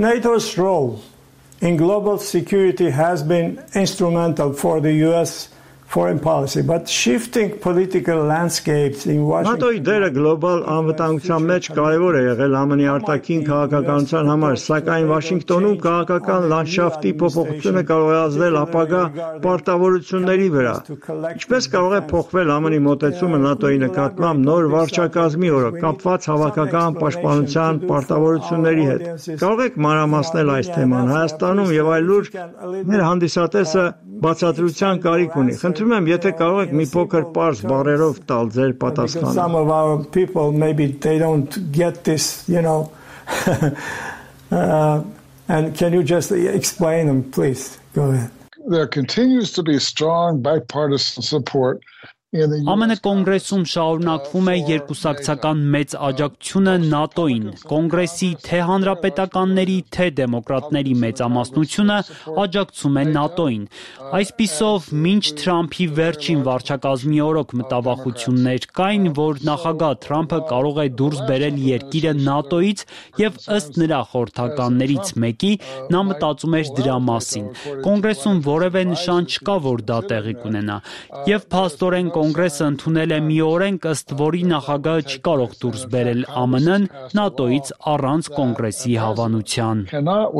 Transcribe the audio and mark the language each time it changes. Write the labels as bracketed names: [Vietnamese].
[English] NATO's role in global security has been instrumental for the US foreign policy, but shifting political landscapes in Washington. [Armenian] NATO-ի դերը գլոբալ անվտանգության մեջ կարևոր է եղել ԱՄՆ-ի արտաքին քաղաքականության համար, սակայն Վաշինգտոնում քաղաքական լանդշաֆտի փոփոխությունը կարող է ազդել ապագա պարտավորությունների վրա։ Ինչպես կարող է փոխվել ԱՄՆ-ի մոտեցումը NATO-ի նկատմամբ նոր վարչակազմի օրը, կապված հավաքական պաշտպանության պարտավորությունների հետ։ Կարող եք մանրամասնել այս թեման Հայաստանում եւ այլուր մեր հանդիսատեսը բացատրության կարիք ունի։ Խնդրում եմ, եթե կարող եք մի փոքր պարզ բառերով տալ ձեր պատասխանը։ [English] Some of our people maybe they don't get this, and can you just explain them, please? Go ahead. There continues to be strong bipartisan support. [Armenian] ԱՄՆ կոնգրեսում շարունակվում է երկուսակցական մեծ աջակցությունը ՆԱՏՕ-ին։ Կոնգրեսի թե հանրապետականների, թե դեմոկրատների մեծամասնությունը աջակցում է ՆԱՏՕ-ին։ Այսպիսով, մինչ Թրամփի վերջին վարչակազմի օրոք մտավախություններ կային, որ նախագահ Թրամփը կարող է դուրս բերել երկիրը ՆԱՏՕ-ից, եւ ըստ նրա խորհրդականներից մեկի նա մտածում էր դրա մասին։ Կոնգրեսում որևէ նշան չկա, որ դա տեղի կունենա, եւ փաստորեն Կոնգրեսը ընդունել է մի օրենք, ըստ որի նախագահը չի կարող դուրս բերել ԱՄՆ-ն ՆԱՏՕ-ից առանց կոնգրեսի հավանության։